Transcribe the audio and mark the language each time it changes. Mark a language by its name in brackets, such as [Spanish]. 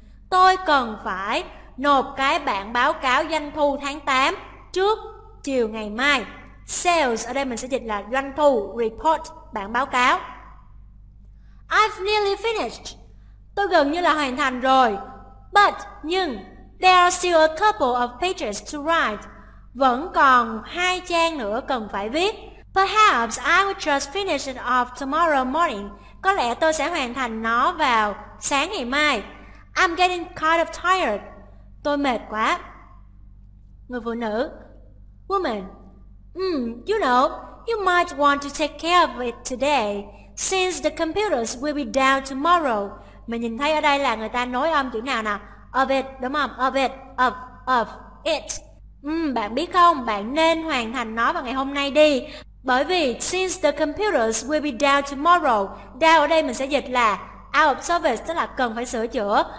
[Vietnamese] Tôi cần phải nộp cái bản báo cáo doanh thu tháng 8 trước chiều ngày mai. Sales, ở đây mình sẽ dịch là doanh thu, report, bản báo cáo. [English] I've nearly finished. [Vietnamese] Tôi gần như là hoàn thành rồi. [English] But, [Vietnamese] nhưng, [English] there are still a couple of pages to write. [Vietnamese] Vẫn còn 2 trang nữa cần phải viết. [English] Perhaps I will just finish it off tomorrow morning. [Vietnamese] Có lẽ tôi sẽ hoàn thành nó vào sáng ngày mai. [English] I'm getting kind of tired. [Vietnamese] Tôi mệt quá. Người phụ nữ. [English] Woman. You know, you might want to take care of it today, since the computers will be down tomorrow. [Vietnamese] Mình nhìn thấy ở đây là người ta nối âm chữ nào nè? Of it, đúng không? Of it, of it. Bạn biết không, bạn nên hoàn thành nó vào ngày hôm nay đi. Bởi vì, [English] since the computers will be down tomorrow, [Vietnamese] down ở đây mình sẽ dịch là out of service, tức là cần phải sửa chữa.